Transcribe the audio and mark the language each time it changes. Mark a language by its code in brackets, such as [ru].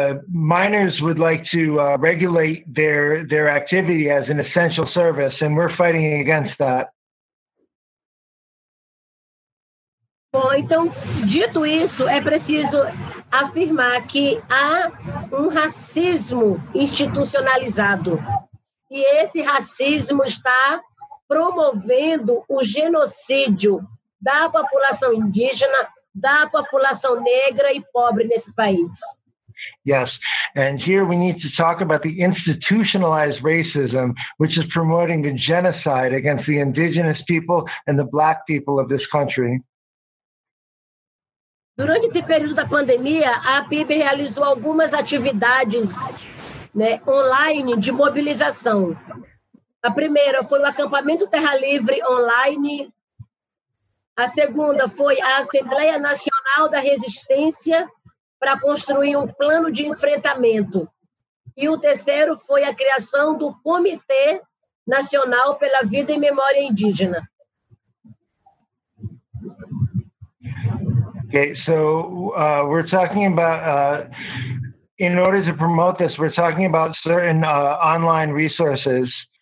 [en] Miners would like to regulate their activity as an essential service, and we're fighting against that. [pt] Bom, então, dito isso, é preciso afirmar que há racismo institucionalizado, e esse racismo está promovendo o genocídio da população indígena, da população negra e pobre nesse país. [en] Yes, and here we need to talk about the institutionalized racism, which is promoting the genocide against the indigenous people and the black people of this country. [pt] Durante esse período da pandemia, a PIB realizou algumas atividades, né, online de mobilização. A primeira foi o acampamento Terra Livre online. A segunda foi a Assembleia Nacional da Resistência para construir um plano de enfrentamento. E o terceiro foi a criação do Comitê Nacional pela Vida e Memória Indígena. [en] Okay, so we're talking about, in order to promote this, we're talking about certain online resources.